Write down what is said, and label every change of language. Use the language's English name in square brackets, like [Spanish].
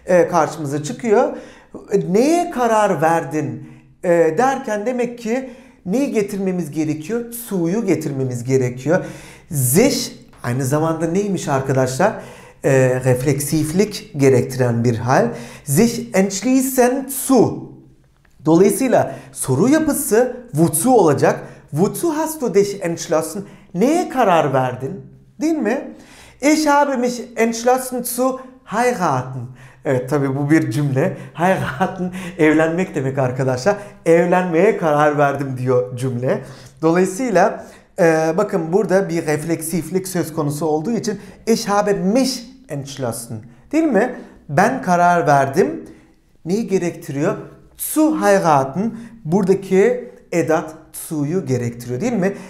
[Turkish] Karşımıza çıkıyor. Neye karar verdin derken demek ki neyi getirmemiz gerekiyor? Zu'yu getirmemiz gerekiyor. Sich aynı zamanda neymiş arkadaşlar? Refleksiflik gerektiren bir hal. Sich entschließen zu. Dolayısıyla soru yapısı wozu olacak. [German] Wozu hast du dich entschlossen? [Turkish] Neye karar verdin? Değil mi? [German] Ich habe mich entschlossen zu heiraten. [Turkish] Evet tabi bu bir cümle. Heiraten evlenmek demek arkadaşlar. Evlenmeye karar verdim diyor cümle. Dolayısıyla bakın burada bir refleksiflik söz konusu olduğu için [German] ich habe mich entschlossen [Turkish] değil mi? Ben karar verdim. Neyi gerektiriyor? Zu heiraten, buradaki edat zu'yu gerektiriyor değil mi?